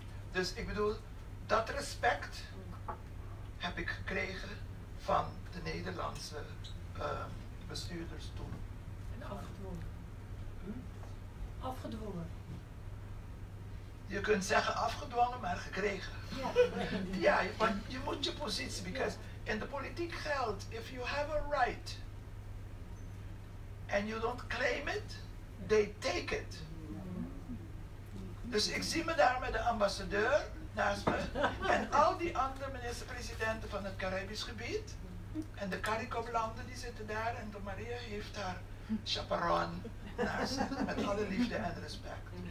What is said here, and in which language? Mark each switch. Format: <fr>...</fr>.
<nl>Dus ik bedoel, dat respect heb ik gekregen van de Nederlandse bestuurders toen. En afgedwongen. Je kunt zeggen afgedwongen, maar gekregen. Ja, want je moet je positie,</nl> <en>because</en> <nl>in de politiek geldt,</nl> <en>if you have a right and you don't claim it, they take it.</en> <nl>Dus ik zie me daar met de ambassadeur naast me en al die andere minister-presidenten van het Caribisch gebied en de CARICOM-landen die zitten daar en de Maria heeft haar chaperon naast me met alle liefde en respect.</nl>